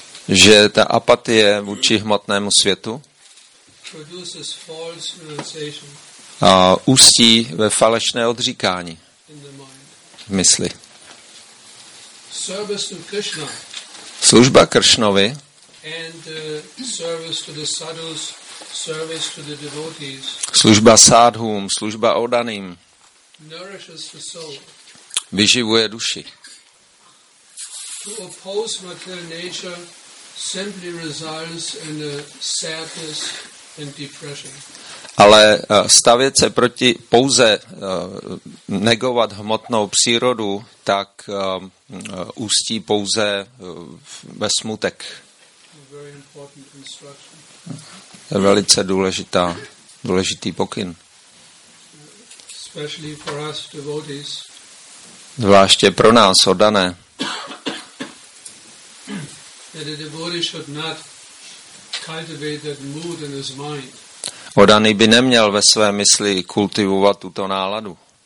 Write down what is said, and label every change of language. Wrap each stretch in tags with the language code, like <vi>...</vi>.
<cs>že ta apatie vůči hmotnému světu</cs> <en>produces false renunciation,</en> <cs>a ústí ve falešné odříkání v mysli.</cs> <en>Service to Krishna,</en> <cs>služba Kršnovi</cs> <en>and service to the sadhus, service to the devotees,</en> <cs>služba sádhům, služba oddaným,</cs> <en>nourishes the soul,</en> <cs>vyživuje duši.</cs> <en>To oppose material nature simply results in a sadness and depression.</en> <cs>Ale stavět se proti pouze negovat hmotnou přírodu, tak ústí pouze ve smutek.</cs> <en>Very important instruction.</en> <cs>Je velice důležitý pokyn.</cs> <en>Especially for us devotees.</en> <cs>Zvláště pro nás oddané.</cs> <en>That a devotee should not cultivate that mood in his mind.</en> <cs>Oddaný by neměl ve své mysli kultivovat tuto náladu.</cs>